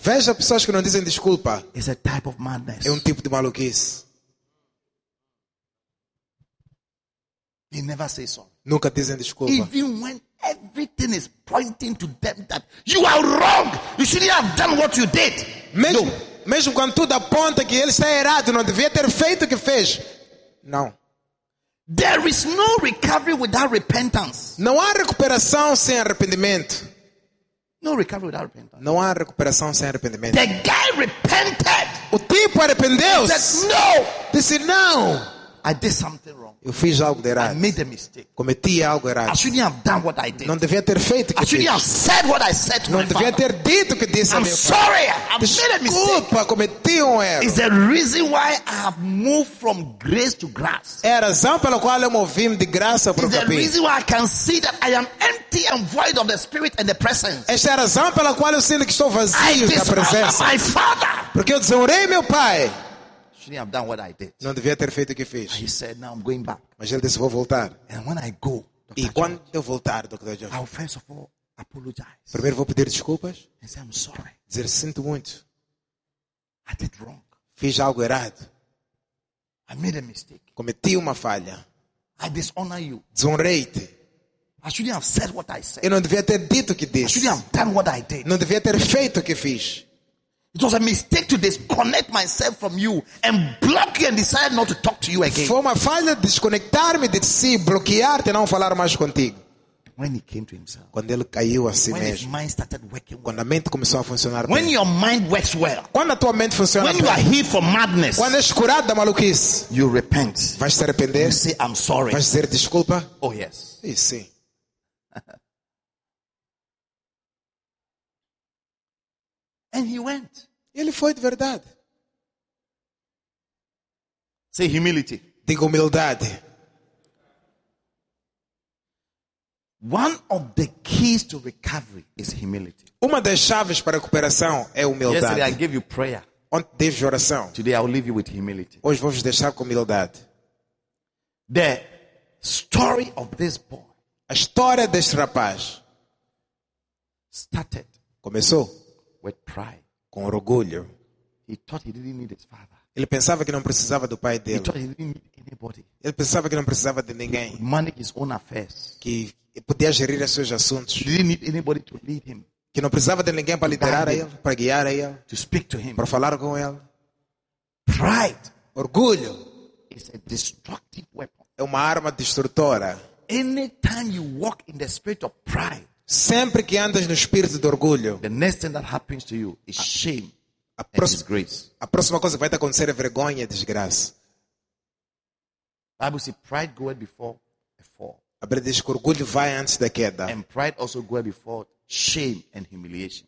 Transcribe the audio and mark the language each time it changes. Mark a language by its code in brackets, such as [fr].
[pt] Veja pessoas que não dizem desculpa. [en] It's a type of madness. [pt] É um tipo de maluquice. [en] He never says sorry. [pt] Nunca dizem desculpa. [en] Even when everything is pointing to them that you are wrong, you shouldn't have done what you did. [pt] Mesmo quando tudo aponta que ele está errado, não devia ter feito o que fez. Não. [en] There is no recovery without repentance. [pt] Não há recuperação sem arrependimento. [en] No recovery without repentance. [pt] Não há recuperação sem arrependimento. [en] The guy repented. [pt] O tipo arrependeu. [en] He said no. [pt] Disse não. [en] I did something wrong. [pt] Eu fiz algo de errado. [en] I made a mistake. [pt] Cometi algo errado. [en] I shouldn't have done what I did. [pt] Não devia ter feito o que [en] I shouldn't have said what I said to [pt] Não [en] my [pt] devia [en] father. [pt] Ter dito o que disse [en] I'm [pt] a meu pai. [en] Sorry. I made a mistake. [pt] Desculpa, cometi erro. [en] Is the reason why I have moved from grace to grace. [pt] É a razão pela qual eu movi-me de graça para o capim. [en] Is the reason why I can see that I am empty and void of the spirit and the presence. [pt] É a razão pela qual eu sinto que estou vazio da presença. [en] My father. [pt] Porque eu desonrei meu pai. [en] Shouldn't have done what I did. [pt] Não devia ter feito o que fez. [en] He said, "Now I'm going back." [pt] Mas ele disse, vou voltar. [en] And when I go, Dr. [pt] E quando eu voltar, Dr. George, [en] I'll first of all apologize. [pt] Primeiro vou pedir desculpas. [en] And say, "I'm sorry." [pt] Dizer, sinto muito. [en] I did wrong. [pt] Fiz algo errado. [en] I made a mistake. [pt] Cometi uma falha. [en] I dishonor you. [pt] Desonrei-te. [en] I shouldn't have said what I said. [pt] Eu não devia ter dito o que disse. [en] I shouldn't have done what I did. [pt] Não devia ter feito o que fiz. [en] It was a mistake to disconnect myself from you and block you and decide not to talk to you again. [pt] Foi uma falha desconectar-me de si, bloquear-te e não falar mais contigo. [en] When he came to himself. [pt] Quando ele caiu a si [en] when [pt] mesmo. [en] When his mind started working well. [pt] Quando a mente começou a funcionar [en] when [pt] bem. [en] Your mind works well. [pt] Quando a tua mente funciona [en] when [pt] bem. [en] You are healed from madness. [pt] Quando és curado da maluquice. [en] You repent. [pt] Vais te arrepender. [en] You say, I'm sorry. [pt] Vais dizer desculpa. [en] Oh, yes. [pt] E sim. [en] And he went. [pt] Ele foi de verdade. [en] Say humility. [pt] Diga humildade. [en] One of the keys to recovery is humility. [pt] Uma das chaves para a recuperação é humildade. [en] Yesterday I gave you prayer. [pt] Ontem dei oração. [en] Today I'll leave you with humility. [pt] Hoje vou vos deixar com humildade. [en] The story of this boy. [pt] A história deste rapaz. [en] Started. [pt] Começou. [en] With pride. [pt] Com orgulho. [en] He thought he didn't need his father. [pt] Ele pensava que não precisava do pai dele. [en] He thought he didn't need anybody. [pt] Ele pensava que não precisava de ninguém. [en] He managed his own affairs. [pt] Que podia gerir os seus assuntos. [en] He didn't need anybody to lead him. [pt] Que não precisava de ninguém para liderar a ele, para guiar a ele. [en] To speak to him. [pt] Para falar com ele. [en] Pride. [pt] Orgulho. [en] Is a destructive weapon. [pt] É uma arma destrutora. [en] Anytime you walk in the spirit of pride. [pt] Sempre que andas no espírito de orgulho, [en] the next thing that happens to you is shame and disgrace. [pt] A próxima coisa que vai te acontecer é vergonha e desgraça. [en] Bible says pride goeth before a fall. [pt] A Bíblia diz que orgulho vai antes da queda. [en] And pride also goeth before shame and humiliation.